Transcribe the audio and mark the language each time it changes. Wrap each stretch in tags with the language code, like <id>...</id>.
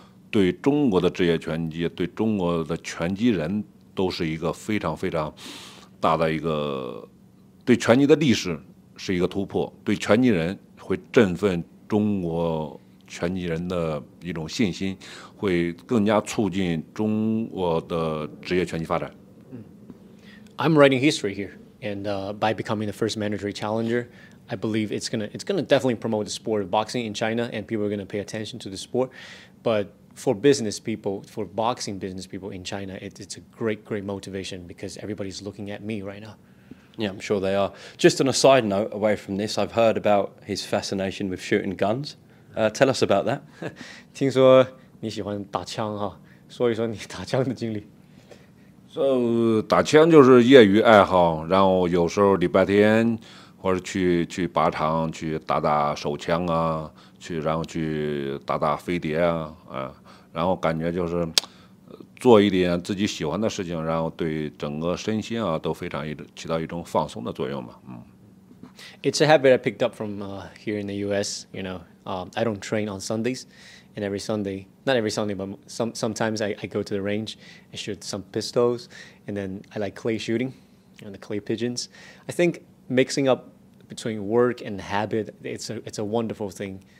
<zh>对中国的职业拳击，对中国的拳击人都是一个非常非常大的一个，对拳击的历史是一个突破，对拳击人会振奋中国拳击人的一种信心，会更加促进中国的职业拳击发展。</zh> <en>I'm writing history here, and by becoming the first mandatory challenger, I believe it's gonna definitely promote the sport of boxing in China, and people are gonna pay attention to the sport, but for business people, for boxing business people in China, it's a great, great motivation because everybody's looking at me right now. Yeah, I'm sure they are. Just on a side note away from this, I've heard about his fascination with shooting guns. Tell us about that.</en> <zh>听说你喜欢打枪哈，说一说你打枪的经历。 So, 打枪就是业余爱好，然后有时候礼拜天或者去靶场去打打手枪啊。然后去打打飞碟 然后感觉就是做一点自己喜欢的事情，然后对整个身心啊都非常起到一种放松的作用嘛。</zh> <en>It's a habit I picked up from here in the U.S. You know, I don't train on Sundays, and every Sunday, not every Sunday, but sometimes I go to the range and shoot some pistols, and then I like clay shooting and the clay pigeons. I think mixing up between work and habit, it's a wonderful thing.</en>